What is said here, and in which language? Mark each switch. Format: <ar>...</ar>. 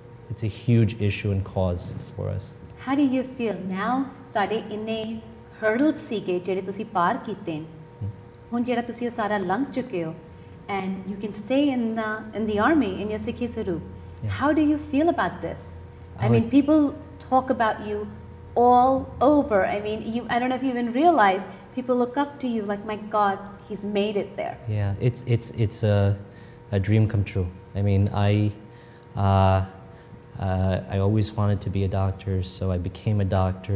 <en>It's a huge issue and cause for us. How do you feel now?</en> <pa>ਤੁਹਾਡੇ ਇੰਨੇ hurdles ਸੀਗੇ ਜਿਹੜੇ ਤੁਸੀਂ ਪਾਰ ਕੀਤੇ ਹੁਣ ਜਿਹੜਾ ਤੁਸੀਂ ਉਹ ਸਾਰਾ ਲੰਘ ਚੁੱਕੇ ਹੋ</pa> <en>and you can stay in the army in your Sikhi Swaroop. Yeah. How do you feel about this? I mean, people talk about you all over. I don't know if you even realize people look up to you like, my God, he's made it there. Yeah, it's a dream come true. I always wanted to be a doctor, so I became a doctor.</en>